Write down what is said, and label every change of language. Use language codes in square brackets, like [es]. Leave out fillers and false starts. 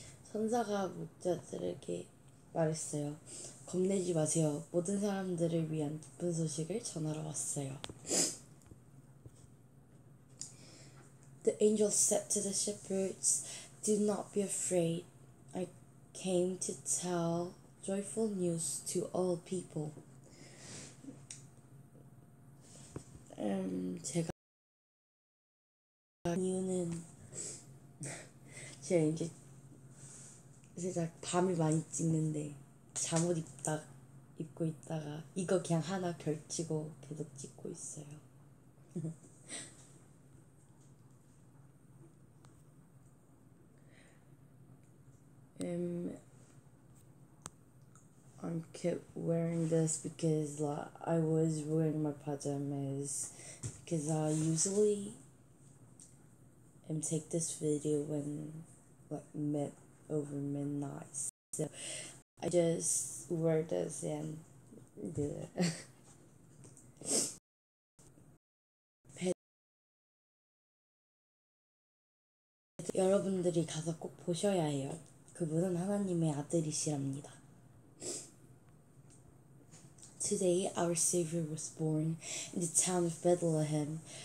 [ko] "천사가 목자들에게 말했어요. 겁내지 마세요. 모든 사람들을 위한 기쁜 소식을 전하러 왔어요." [en] The angel said to the shepherds, "Do not be afraid. I came to tell joyful news to all people." [ko] 제가 이유는 제가 이제 살짝 밤을 많이 찍는데 잠옷 입고 있다가 이거 그냥 하나 결치고 계속 찍고 있어요. [en] I kept wearing this because like, I was wearing my pajamas because I usually take this video when like over midnight, so I just wear this and do it. [ko] 여러분들이 가서 꼭 보셔야 해요. 그분은 하나님의 아들이시랍니다. [en] Today our Savior was born in the town of Bethlehem.